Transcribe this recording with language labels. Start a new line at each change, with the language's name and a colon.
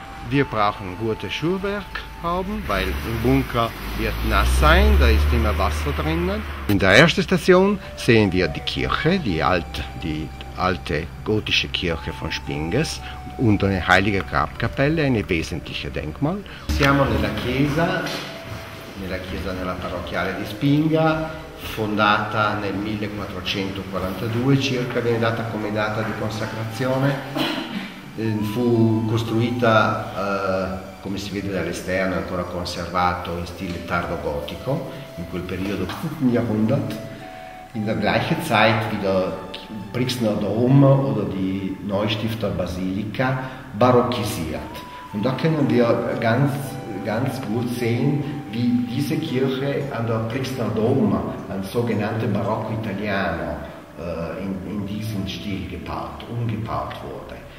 German: Wir brauchen gutes Schuhwerk haben, weil im Bunker wird nass sein, da ist immer Wasser drinnen. In der ersten Station sehen wir die Kirche, die alte gotische Kirche von Spingers und eine heilige Grabkapelle, ein wesentliches Denkmal.
Italian: Siamo nella chiesa nella parrocchiale di Spinga, fondata nel 1442 circa, viene data come data di consacrazione. Fu costruita, come si vede dall'esterno, ancora conservato in stile tardo gotico, in quel periodo, Jahrhundert.
German: In der gleichen Zeit wie der Brixner Dom oder die Neustifter Basilika barockisiert. Und da können wir ganz, ganz gut sehen, wie diese Kirche an der Brixner Dom, ein sogenannter Barocco Italiano, in diesem Stil umgebaut wurde.